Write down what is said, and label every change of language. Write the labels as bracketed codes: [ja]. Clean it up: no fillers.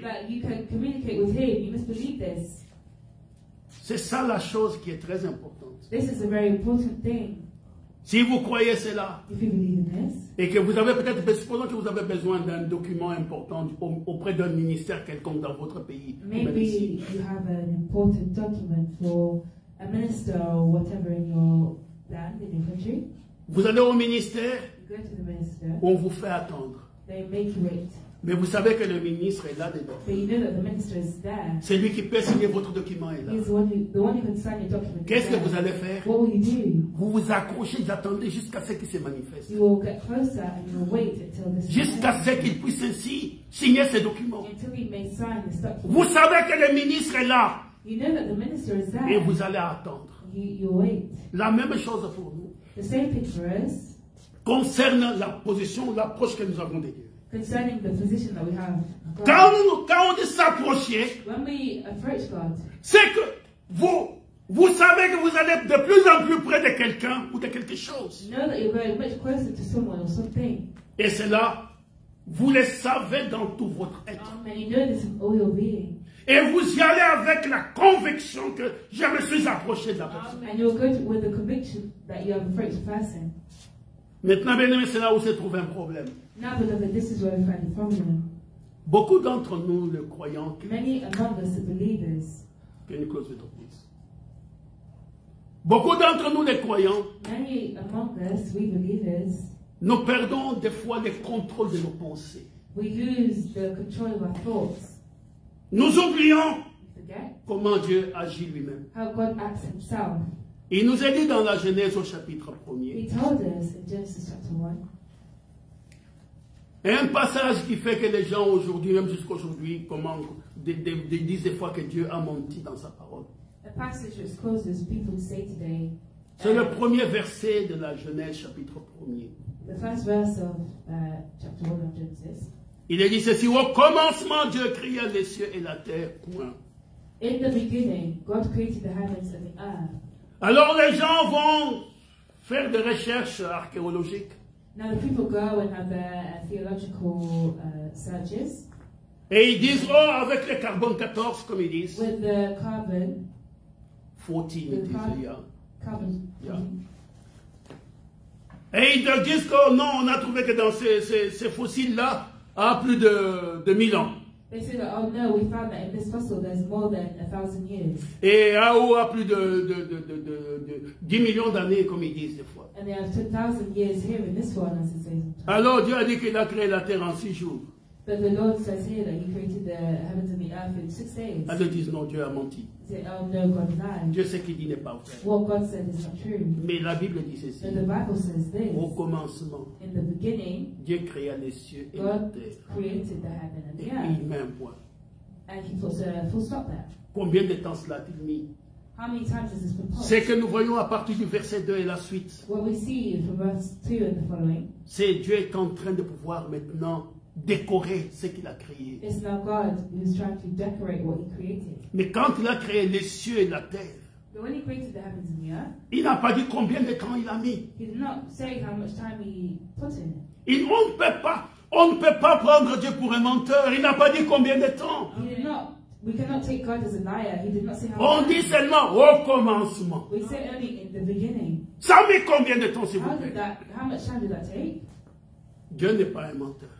[en] That you can communicate with him. You must believe this. [fr] C'est ça la chose qui est très importante. [en] This is a very important thing. [fr] Si vous croyez cela, [en] if you believe in this, [fr] et que vous avez peut-être, supposons que vous avez besoin d'un document important auprès d'un ministère quelconque dans votre pays. [en] Maybe you have an important document for a minister or whatever in your land, in your country. [fr] Vous allez au ministère, [en] you go to the minister, [fr] on vous fait attendre. [en] They make you wait. [fr] Mais vous savez que le ministre est là dedans. [en] But you know that the minister is there. [fr] C'est lui qui peut signer votre document est là. [en] He's the one who can sign your document. [fr] Qu'est-ce que vous allez faire? [en] What will you do? [fr] Vous vous accrochez, vous attendez jusqu'à ce qu'il se manifeste. [en] You will get closer and you'll wait until this. [fr] Jusqu'à ce qu'il puisse ainsi signer ce document. [en] Until he may sign this document. [fr] Vous savez que le ministre est là. [en] You know that the minister is there. [fr] Et vous allez attendre. [en] You wait. [fr] La même chose pour nous. [en] The same thing for us. [fr] Concernant la position, l'approche que nous avons de Dieu. [en] Concerning the position that we have. [fr] Quand on dit s'approcher, [en] when we approach God, [fr] c'est que vous savez que vous allez de plus en plus près de quelqu'un ou de quelque chose. [en] You know that you're going much closer to someone or something. [fr] Et cela, vous le savez dans tout votre être. [en] And you know this in all your being. [fr] Et vous y allez avec la conviction que je me suis approché de la personne. [en] And you're going with the conviction that you have approached a person. [fr] Maintenant, bien-aimé, c'est là où se trouve un problème. [en] Now, beloved, this is where we find the problem. [fr] Beaucoup d'entre nous, les croyants, [en] many among us, the believers, can you close the door, please? [fr] Beaucoup d'entre nous, les croyants, [en] many among us, we believers, [fr] nous perdons des fois le contrôle de nos pensées. [en] We lose the control of our thoughts. [fr] Nous oublions comment Dieu agit lui-même. [en] How God acts himself. [fr] Il nous a dit dans la Genèse au chapitre 1er. [en] He told us in Genesis chapter 1. [fr] Un passage qui fait que les gens aujourd'hui, même jusqu'à aujourd'hui, disent des fois que Dieu a menti dans sa parole. [en] A passage which causes people to say today. [fr] C'est le premier verset de la Genèse chapitre 1er. [en] The first verse of chapter 1 of Genesis. [fr] Il est dit ceci: au commencement, Dieu créa les cieux et la terre. Point. [en] In the beginning, God created the heavens and the earth. [fr] Alors les gens vont faire des recherches archéologiques. [en] Now the people go and have their theological searches. [fr] Et ils disent, oh, avec le carbone 14, comme ils disent. [en] With the carbon. [fr] 14, ils disent, yeah. [en] Carbon. Yeah. [fr] Et ils disent que, oh, non, on a trouvé que dans ces fossiles-là, à plus de 1000 ans. [en] They say that, oh no, we found that in this fossil there's more than 1,000 years. [fr] Et à plus de 10 millions d'années, comme ils disent des fois. [en] And they have 2,000 years here in this one, as it says. [fr] Alors Dieu a dit qu'il a créé la terre en 6 jours. [en] But the Lord says here that he created the heavens and the earth in 6 days. [fr] Alors ils disent, non, Dieu a menti. [en] They say, oh no, God lied. [fr] Dieu sait qu'il dit n'est pas vrai. [en] What God said is not true. [fr] Mais la Bible dit ceci. [en] And the Bible says this. [fr] Au commencement, [en] in the beginning, [fr] Dieu créa les cieux et [en] God [fr] la terre. [en] Created the heaven and the earth. [fr] Et il met un point. [en] And he puts a full stop there. [fr] Combien de temps cela a-t-il mis? [en] How many times has this been put? [fr] C'est que nous voyons à partir du verset 2 et la suite. [en] What we see from verse 2 and the following. [fr] C'est Dieu est en train de pouvoir maintenant décorer ce qu'il a créé. [en] It's now God who is trying to decorate what he created. [fr] Mais quand il a créé les cieux et la terre, [en] but when he created the heavens and the earth, [fr] il n'a pas dit combien de temps il a mis. [en] He did not say how much time he put in. [fr] On ne peut pas prendre Dieu pour un menteur. Il n'a pas dit combien de temps. [en] We cannot take God as a liar. He did not say how [fr] on dit seulement au commencement. [en] We say only in the beginning. [fr] Ça met combien de temps, s'il [en] how [fr] vous plaît? [en] How much time did that take? [fr] Dieu n'est pas un menteur.